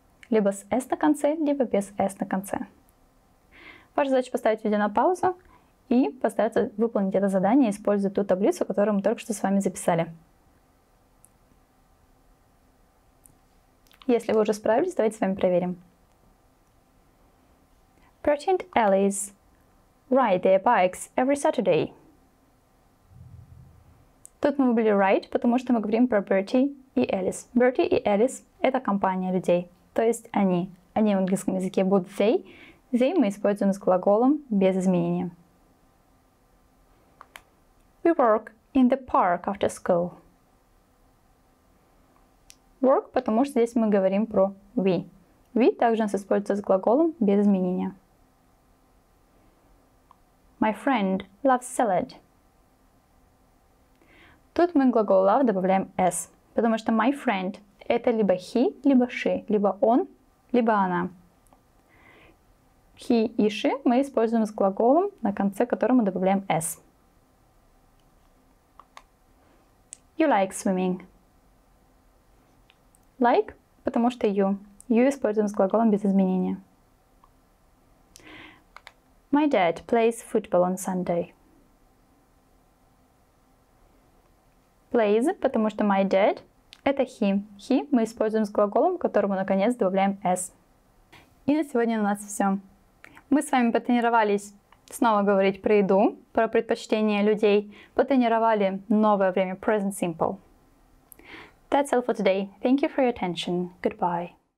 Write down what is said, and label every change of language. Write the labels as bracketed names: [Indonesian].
[Russian] Либо с S на конце, либо без S на конце. Ваша задача поставить видео на паузу и постараться выполнить это задание, используя ту таблицу, которую мы только что с вами записали. Если вы уже справились, давайте с вами проверим. [English] Pretend Alleys ride their bikes every Saturday. [Russian] Тут мы выбрали ride, потому что мы говорим про Bertie и Alice. Bertie и Alice – это компания людей, то есть они. Они в английском языке будут they. They мы используем с глаголом без изменения. [English] We work in the park after school. [Russian] Work, потому что здесь мы говорим про we. We также у нас используется с глаголом без изменения. [English] My friend loves salad. [Russian] Тут мы глагол love добавляем s, потому что my friend это либо he, либо she, либо он, либо она. He и she мы используем с глаголом, на конце которого мы добавляем s. [English] You like swimming. [Russian] Like, потому что you. You используем с глаголом без изменения. [English] My dad plays football on Sunday. [Russian] Plays, потому что my dad – это he. He мы используем с глаголом, которому наконец добавляем s. И на сегодня у нас все. Мы с вами потренировались снова говорить про еду, про предпочтения людей, потренировали новое время present simple. [English] That's all for today. Thank you for your attention. Goodbye.